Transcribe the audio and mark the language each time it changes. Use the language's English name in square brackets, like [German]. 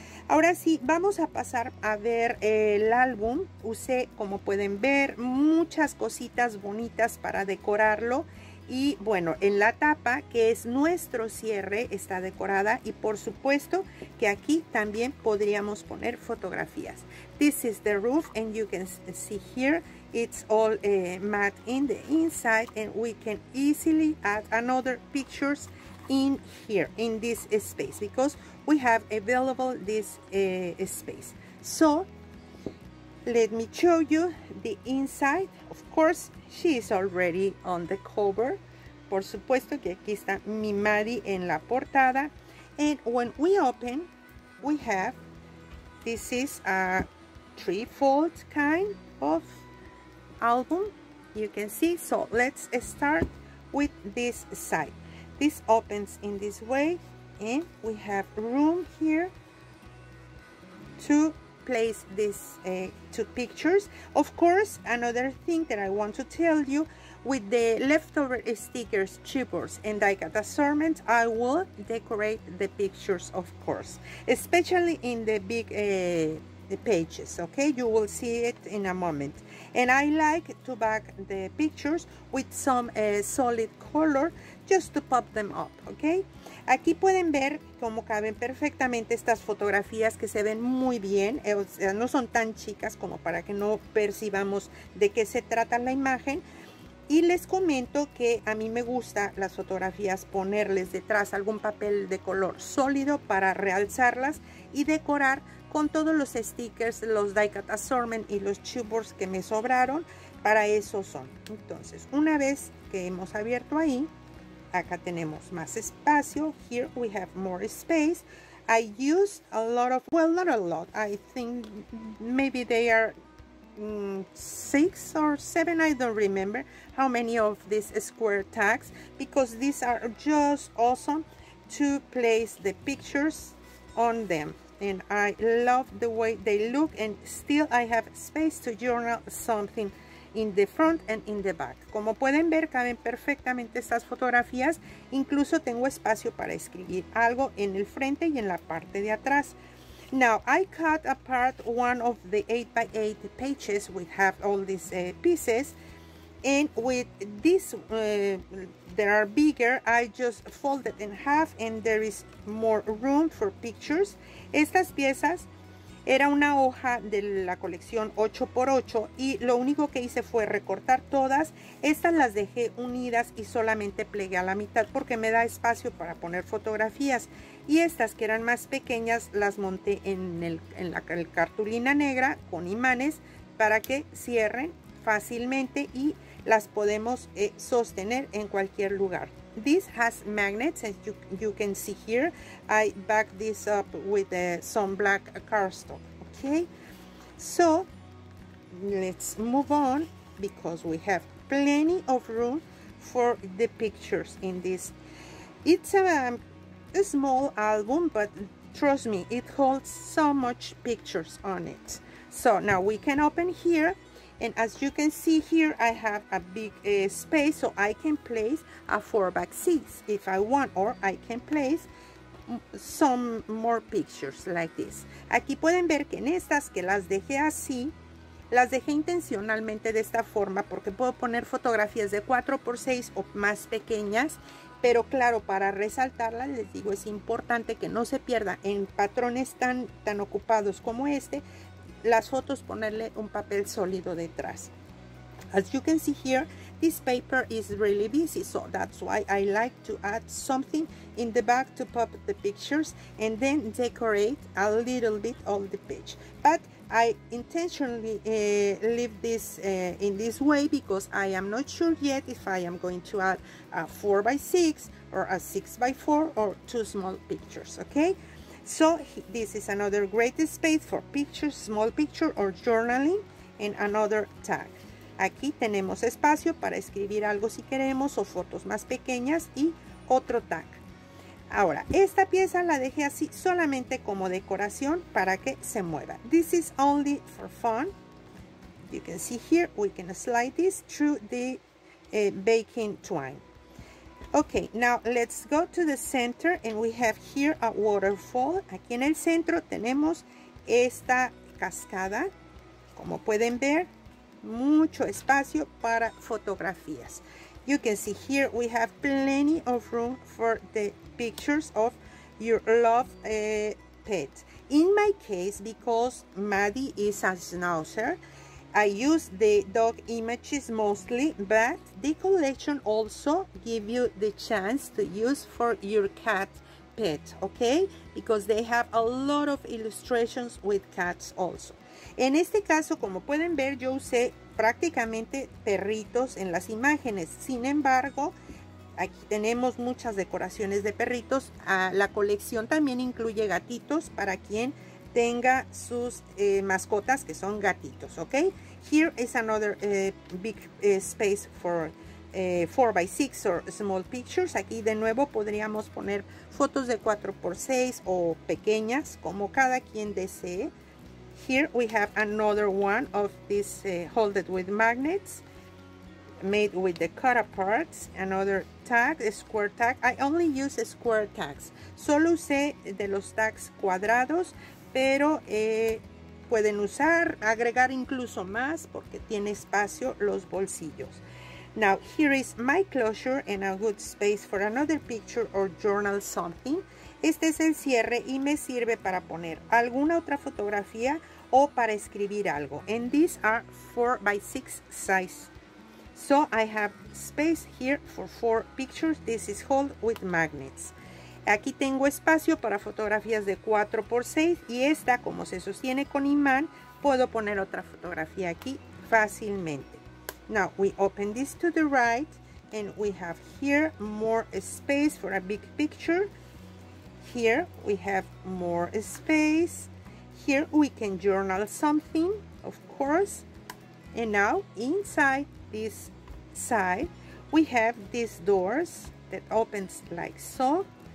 [Spanish] Ahora sí, vamos a pasar a ver el álbum. Usé, como pueden ver, muchas cositas bonitas para decorarlo. Y bueno, en la tapa, que es nuestro cierre, está decorada. Y por supuesto que aquí también podríamos poner fotografías. [English] This is the roof and you can see here, it's all matte in the inside and we can easily add another pictures in here, in this space, because we have available this space. So, let me show you the inside. Of course, she is already on the cover. [Spanish] Por supuesto que aquí está mi Madi en la portada. [English] And when we open, we have, this is a threefold kind of album, you can see. So, let's start with this side. This opens in this way, and we have room here to place these two pictures. Of course, another thing that I want to tell you, with the leftover stickers, chipboards, and die-cut assortment, I will decorate the pictures, of course, especially in the big the pages, okay? You will see it in a moment. And I like to back the pictures with some solid color, just to pop them up, okay? [Spanish] Aquí pueden ver cómo caben perfectamente estas fotografías, que se ven muy bien. O sea, no son tan chicas como para que no percibamos de qué se trata la imagen. Y les comento que a mí me gusta las fotografías ponerles detrás algún papel de color sólido para realzarlas y decorar con todos los stickers, los die-cut assortment y los chipboards que me sobraron. Para eso son. Entonces, una vez que hemos abierto ahí, acá tenemos más espacio. [English] Here we have more space. I used a lot of, well, not a lot. I think maybe they are 6 or 7. I don't remember how many of these square tags, because these are just awesome to place the pictures on them. And I love the way they look, and still I have space to journal something in the front and in the back. [Spanish] Como pueden ver, caben perfectamente estas fotografías. Incluso tengo espacio para escribir algo en el frente y en la parte de atrás. [English] Now, I cut apart one of the 8x8 pages. We have all these pieces. And with this, that are bigger, I just fold it in half and there is more room for pictures. [Spanish] Estas piezas era una hoja de la colección 8x8 y lo único que hice fue recortar todas. Estas las dejé unidas y solamente plegué a la mitad porque me da espacio para poner fotografías. Y estas que eran más pequeñas las monté en la cartulina negra con imanes para que cierren fácilmente y las podemos sostener en cualquier lugar. [English] This has magnets, as you can see here. I back this up with some black cardstock. Okay, so let's move on. because we have plenty of room for the pictures in this. It's a small album, but trust me, it holds so much pictures on it. So now we can open here, and as you can see here, I have a big space, so I can place a 4x6 if I want, or I can place some more pictures like this. [Spanish] Aquí pueden ver que en estas que las dejé así, las dejé intencionalmente de esta forma porque puedo poner fotografías de 4x6 o más pequeñas, pero claro, para resaltarlas les digo, es importante que no se pierda en patrones tan ocupados como este, las fotos ponerle un papel sólido detrás. [English] As you can see here, this paper is really busy, so that's why I like to add something in the back to pop the pictures and then decorate a little bit all the page. But I intentionally leave this in this way because I am not sure yet if I am going to add a 4x6 or a 6x4 or two small pictures, okay? So this is another great space for pictures, small picture or journaling, and another tag. [Spanish] Aquí tenemos espacio para escribir algo si queremos o fotos más pequeñas y otro tag. Ahora, esta pieza la dejé así solamente como decoración para que se mueva. [English] This is only for fun. You can see here we can slide this through the baking twine. Okay, now let's go to the center and we have here a waterfall. [Spanish] Aquí en el centro tenemos esta cascada. Como pueden ver, mucho espacio para fotografías. [English] You can see here we have plenty of room for the pictures of your love pet. In my case, because Maddie is a schnauzer, I use the dog images mostly, but the collection also give you the chance to use for your cat pet, okay? Because they have a lot of illustrations with cats also. [Spanish] En este caso, como pueden ver, yo usé prácticamente perritos en las imágenes. Sin embargo, aquí tenemos muchas decoraciones de perritos. La colección también incluye gatitos para quien tenga sus mascotas que son gatitos, ¿ok? [English] Here is another big space for 4x6 or small pictures. [Spanish] Aquí de nuevo podríamos poner fotos de 4x6 o pequeñas, como cada quien desee. [English] Here we have another one of this holded with magnets, made with the cut aparts, another tag, a square tag. I only use square tags. [Spanish] Solo usé de los tags cuadrados, pero pueden usar, agregar incluso más porque tiene espacio los bolsillos. [English] Now here is my closure and a good space for another picture or journal something. [Spanish] Este es el cierre y me sirve para poner alguna otra fotografía o para escribir algo. [English] And these are 4x6 size. So I have space here for 4 pictures. This is held with magnets. [Spanish] Aquí tengo espacio para fotografías de 4x6 y esta, como se sostiene con imán, puedo poner otra fotografía aquí fácilmente. [English] Now we open this to the right and we have here more space for a big picture. Here we have more space. Here we can journal something, of course. And now inside this side, we have these doors that opens like so.